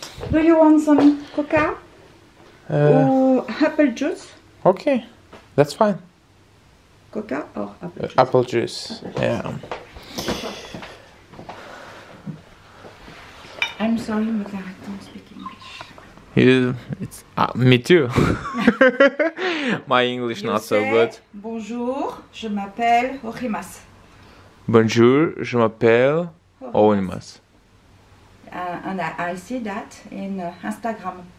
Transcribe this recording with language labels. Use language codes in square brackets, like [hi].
[en] Do you want some coca or apple juice? Okay, that's fine. Coca or apple juice? Apple juice, yeah. I'm sorry, but I don't speak English. Me too. My English you not so good. [fr] Bonjour, je m'appelle Orimas. Bonjour, je m'appelle Orimas. [en] And I see that in Instagram.